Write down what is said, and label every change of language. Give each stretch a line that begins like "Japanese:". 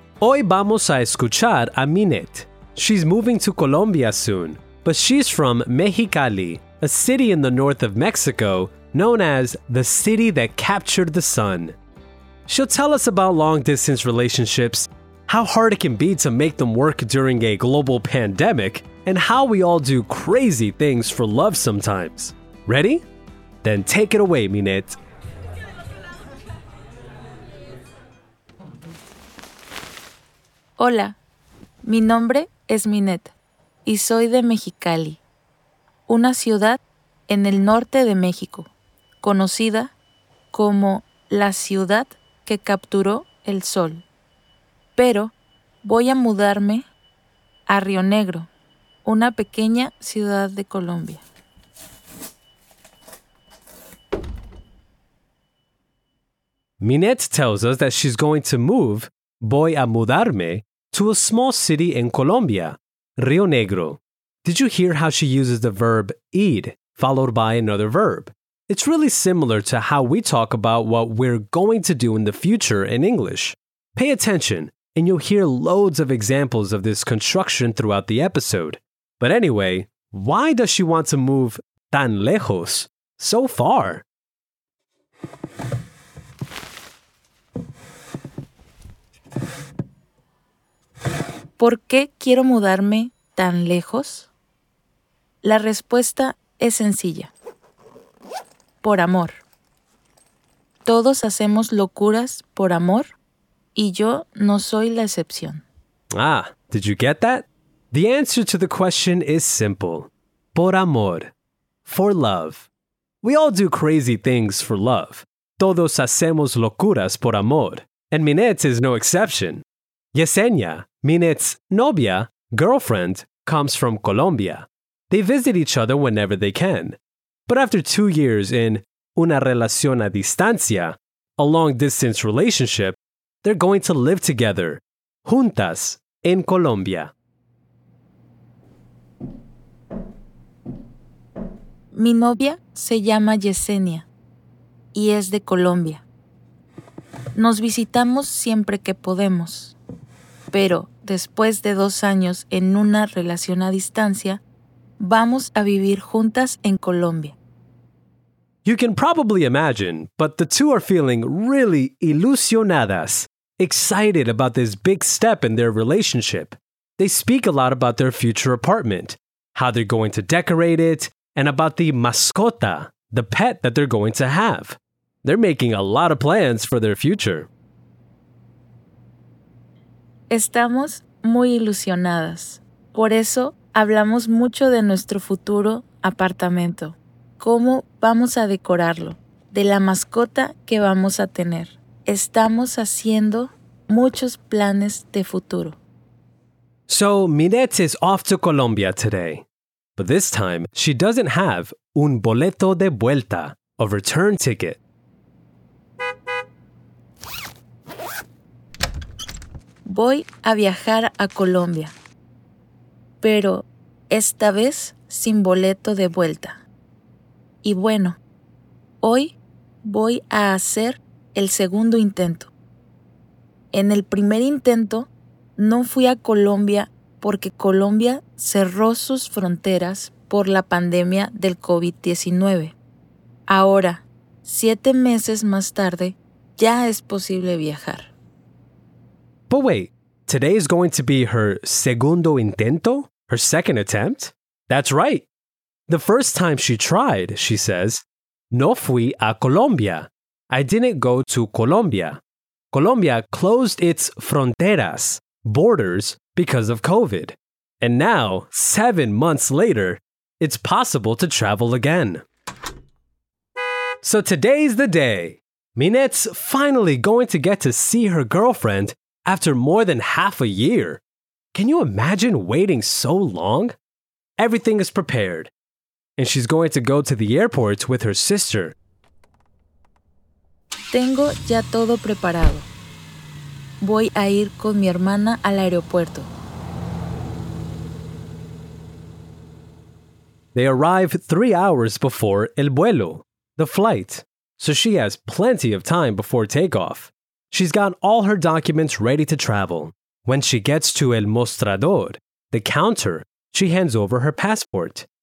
Spanish: Hoy vamos a escuchar a Minet.
English: She's moving to Colombia soon, but she's from Mexicali, a city in the north of Mexico known as the city that captured the sun. She'll tell us about long-distance relationships, how hard it can be to make them work during a global pandemic, and how we all do crazy things for love sometimes. Ready? Then take it away, Minet.
Spanish: Hola, mi nombre es Minet y soy de Mexicali, una ciudad en el norte de México, conocida como la ciudad que capturó el sol. Pero voy a mudarme a Río Negro, una pequeña ciudad de Colombia.
English: Minet tells us that she's going to move,
Spanish: voy a mudarme,
English: to a small city in Colombia, Río Negro. Did you hear how she uses the verb ir, followed by another verb? It's really similar to how we talk about what we're going to do in the future in English. Pay attention, and you'll hear loads of examples of this construction throughout the episode. But anyway, why does she want to move
Spanish: tan lejos,
English: so far?
Spanish: ¿Por qué quiero mudarme tan lejos? La respuesta es sencilla. Por amor. Todos hacemos locuras por amor y yo no soy la excepción.
English: Ah, did you get that? The answer to the question is simple.
Spanish: Por amor.
English: For love. We all do crazy things for love.
Spanish: Todos hacemos locuras por amor.
English: And Minet is no exception. Yesenia, Minet's novia, girlfriend, comes from Colombia. They visit each other whenever they can. But after 2 years in
Spanish: una relación a distancia,
English: a long-distance relationship, they're going to live together, juntas, in Colombia.
Spanish: Mi novia se llama Yesenia y es de Colombia. Nos visitamos siempre que podemos. Pero después de 2 años en una relación a distancia, vamos a vivir juntas en Colombia.
English: You can probably imagine, but the two are feeling really ilusionadas, excited about this big step in their relationship. They speak a lot about their future apartment, how they're going to decorate it, and about the mascota, the pet that they're going to have. They're making a lot of plans for their future.
Spanish: Estamos muy ilusionadas. Por eso hablamos mucho de nuestro futuro apartamento. ¿Cómo vamos a decorarlo? De la mascota que vamos a tener. Estamos haciendo muchos planes de futuro.
English: So, Minet is off to Colombia today. But this time, she doesn't have
Spanish: un boleto de vuelta,
English: a return ticket.
Spanish: Voy a viajar a Colombia, pero esta vez sin boleto de vuelta. Y bueno, hoy voy a hacer el segundo intento. En el primer intento, no fui a Colombia porque Colombia cerró sus fronteras por la pandemia del COVID-19. Ahora, 7 meses más tarde, ya es posible viajar.
English: But wait, today is going to be her
Spanish: segundo intento,
English: her second attempt? That's right. The first time she tried, she says,
Spanish: no fui a Colombia.
English: I didn't go to Colombia. Colombia closed its fronteras, borders, because of COVID. And now, 7 months later, it's possible to travel again. So today's the day. Minet's finally going to get to see her girlfriend after more than half a year. Can you imagine waiting so long? Everything is prepared, and she's going to go to the airport with her sister.
Spanish: Tengo ya todo preparado. Voy a ir con mi hermana al aeropuerto.
English: They arrive 3 hours before
Spanish: el vuelo,
English: the flight, so she has plenty of time before takeoff. She's got all her documents ready to travel. When she gets to
Spanish: el mostrador,
English: the counter, she hands over her passport.